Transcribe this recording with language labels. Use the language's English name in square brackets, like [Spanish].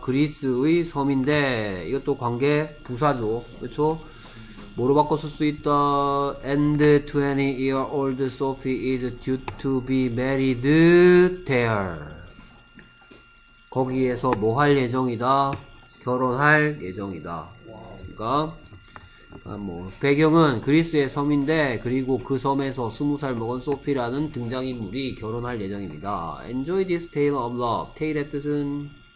[Korean] 그리스의 섬인데 이것도 관계 부사죠. 그렇죠? 뭐로 바꿔 쓸 수 있다? [English] And 20-year-old Sophie is due to be married there. [Korean] 거기에서 뭐 할 예정이다? 결혼할 예정이다. 그러니까 뭐 배경은 그리스의 섬인데 그리고 그 섬에서 20살 먹은 소피라는 등장인물이 결혼할 예정입니다. [English] Enjoy this tale of love. [Korean] Tale의 뜻은?